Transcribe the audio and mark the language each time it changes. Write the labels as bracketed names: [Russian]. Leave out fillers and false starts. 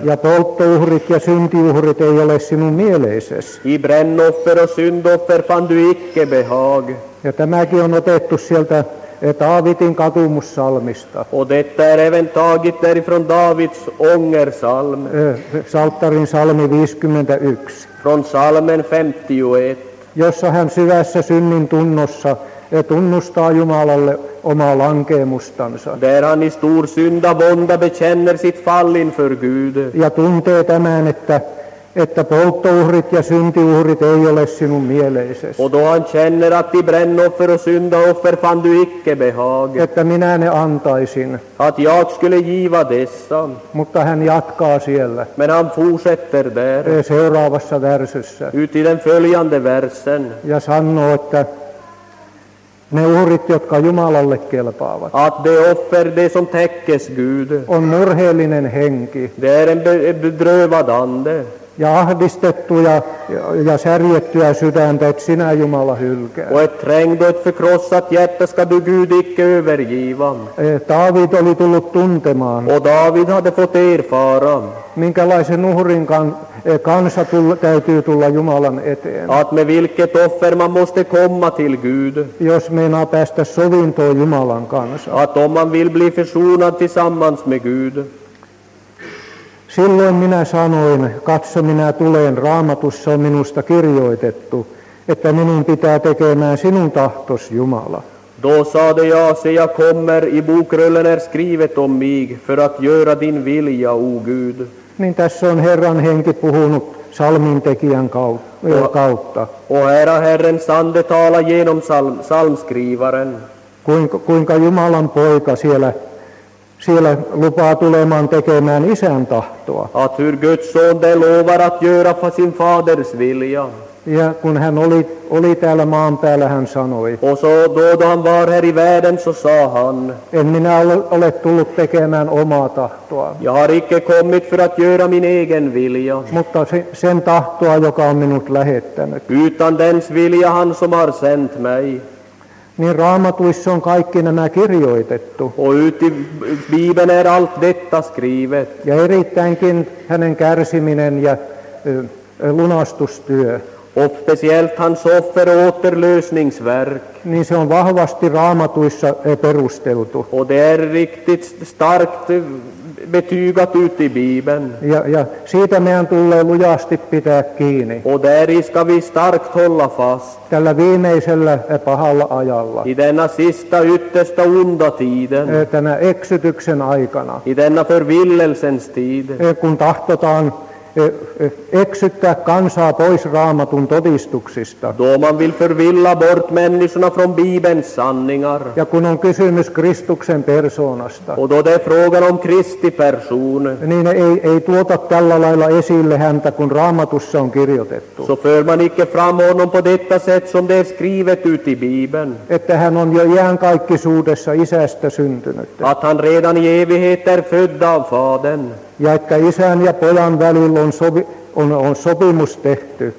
[Finnish] Ja polttouhrit ja syntiuhrit ei ole sinun mieleisessä. [Swedish] I brännoffer och syndoffer fann du icke behag. [Finnish] Ja tämäkin on otettu sieltä Daavidin katumussalmista. [Swedish] Och detta är även taget därifrån Davids ångersalm. [Finnish] Salttarin salmi 51. [Swedish] Från salmen 51. [Finnish] Jossa hän syvässä synnin tunnossa ja tunnustaa Jumalalle omaa lankeemustansa. [Swedish] Där han i stor synda vonda bekänner sitt fall inför Gud. [Finnish] Ja tuntee tämän, että polttouhrit ja syntiuhrit ei ole sinun mieleisesi. [Swedish] Och då han känner att i brännoffer och syndaoffer fann du icke behag. [Finnish] Että minä ne antaisin. [Swedish] Att jag skulle giva dessa. [Finnish] Mutta hän jatkaa siellä. [Swedish] Men han fortsätter där. [Finnish] Seuraavassa versessä. [Swedish] Ut i den följande versen. [Finnish] Ja sanoo, että ne uhrit, jotka Jumalalle kelpaavat. [Swedish] Att det offer, det som täckes Gud. [Finnish] On murheellinen henki. [Swedish] Det är en bedrövad ande. [Finnish] Ja ahdistettu ja särjettyä sydäntä, et sinä Jumala hylkää. [Swedish] Och ett trängd och ett förkrossat hjärta ska du Gud icke övergiva. [Finnish] David oli tullut tuntemaan. [Swedish] Och David hade fått erfara. [Finnish] Minkälaisen uhrin kansa täytyy tulla Jumalan eteen. [Swedish] Att med vilket offer man måste komma till Gud. [Finnish] Jos meinaa päästä sovintoon Jumalan kanssa. [Swedish] Att om man vill bli försonad tillsammans med Gud. [Finnish] Silloin minä sanoin, katso minä tulen, Raamatussa on minusta kirjoitettu, että minun pitää tekemään sinun tahtos Jumala. [Swedish] Då sade jag, se jag kommer, i bokrullen är skrivet om mig, för att göra din vilja, o Gud. [Finnish] Niin tässä on Herran henki puhunut salmintekijän kautta. [Swedish] O Herra Herren sande tala genom salmskrivaren. [Finnish] Kuinka Jumalan poika siellä lupaa tulemaan tekemään isän tahtoa. [Swedish] Att hur Guds son det lovar att göra för sin faders vilja. [Finnish] Ja kun hän oli täällä maan päällä, hän sanoi. [Swedish] Och så då han var här i världen så sa han. [Finnish] En minä ole tullut tekemään omaa tahtoa. [Swedish] Jag har icke kommit för att göra min egen vilja. [Finnish] Mutta sen tahtoa, joka on minut lähettänyt. [Swedish] Utan dens vilja han som har sent mig. [Finnish] Niin Raamatuissa on kaikki nämä kirjoitettu. [Swedish] Och ut i Bibeln är allt detta skrivet. [Finnish] Ja erittäinkin hänen kärsiminen ja lunastustyö. [Swedish] Och speciellt hans offer och återlösningsverk. [Finnish] Niin se on vahvasti Raamatuissa perusteltu. [Swedish] Och det är riktigt starkt betygat ut i Bibeln. [Finnish] Ja siitä meidän tulee lujasti pitää kiinni. [Swedish] Och där ska vi starkt hålla fast. [Finnish] Tällä viimeisellä pahalla ajalla. [Swedish] I denna sista yttersta onda tiden. [Finnish] Tänä eksytyksen aikana. [Swedish] I denna förvillelsens tid. [Finnish] Kun tahtotaan eksyttää kansaa pois Raamatun todistuksista. [Swedish] Då man vill förvilla bort människorna från Bibelns sanningar. [Finnish] Ja kun on kysymys Kristuksen persoonasta. [Swedish] Och då det är frågan om Kristi person. [Finnish] Niin ei tuota tällä lailla esille häntä, kun Raamatussa on kirjoitettu. [Swedish] Så för man icke fram honom på detta sätt som det är skrivet ut i Bibeln. [Finnish] Että hän on jo iankaikkisuudessa isästä syntynyt. [Swedish] Att han redan i evighet är född av fadern. [Finnish] Ja että isän ja pojan välillä on sopimus tehty.